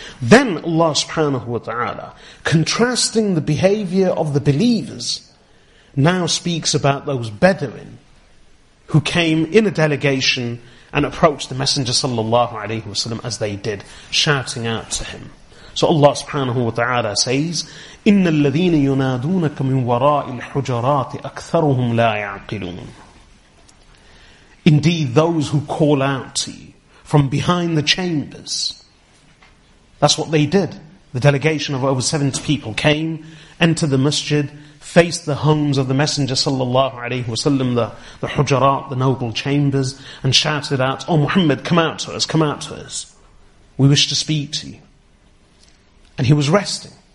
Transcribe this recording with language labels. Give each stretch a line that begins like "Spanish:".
English: Then Allah subhanahu wa ta'ala, contrasting the behavior of the believers, now speaks about those Bedouin who came in a delegation and approached the Messenger sallallahu alayhi wa sallam as they did, shouting out to him. So Allah subhanahu wa ta'ala says,
Arabic: إِنَّ الَّذِينَ يُنَادُونَكَ مِنْ وَرَاءِ الْحُجَرَاتِ أَكْثَرُهُمْ لَا يَعْقِلُونَ.
English: Indeed, those who call out to you from behind the chambers. That's what they did. The delegation of over 70 people came, entered the masjid, faced the homes of the Messenger sallallahu alayhi wa sallam, the hujarat, the noble chambers, and shouted out, O Muhammad, come out to us, come out to us. We wish to speak to you. And he was resting.